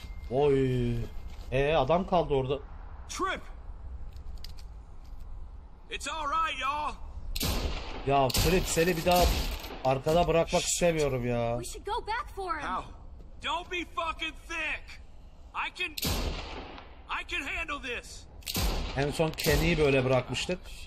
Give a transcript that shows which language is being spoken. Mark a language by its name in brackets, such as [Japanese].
[Turkish] Oy. Adam kaldı orada. Trip. [English] It's all right, y'all. [Turkish] Ya Trip, seni bir daha arkada bırakmak istemiyorum ya. [English] We should go back for him. How? Don't be fucking thick. I can handle this. [Turkish] En son Kenny'yi böyle bırakmıştık.